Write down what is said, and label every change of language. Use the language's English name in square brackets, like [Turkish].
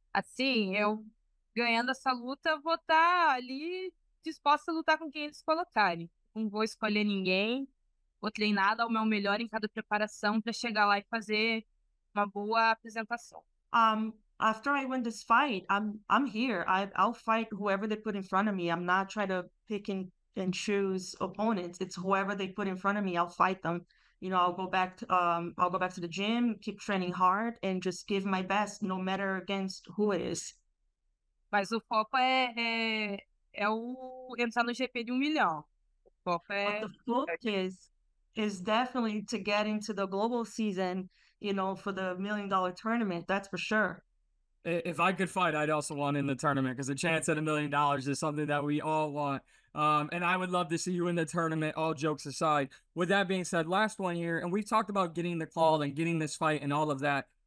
[Portuguese] Assim, eu ganhando essa luta, vou estar ali disposta a lutar com quem eles colocarem. Não vou escolher ninguém. Vou treinar, dar o meu melhor em cada preparação para chegar lá e fazer uma boa apresentação. [English] After I win this fight, I'm here. I'll fight whoever they put in front of me. I'm not trying to pick and choose opponents. It's whoever they put in front of me, I'll fight them. You know, I'll go back to the gym, keep training hard, and just give my best, no matter against who it is. [Portuguese] Mas o foco é o entrar no GP de 1 milhão. O foco [English] But [Portuguese] é. [English] the focus is definitely to get into the global season, you know, for the million-dollar tournament, that's for sure. If I could fight, I'd also want in the tournament because a chance at $1 million is something that we all want. And I would love to see you in the tournament, all jokes aside. With that being said, last one here, and we've talked about getting the call and getting this fight and all of that.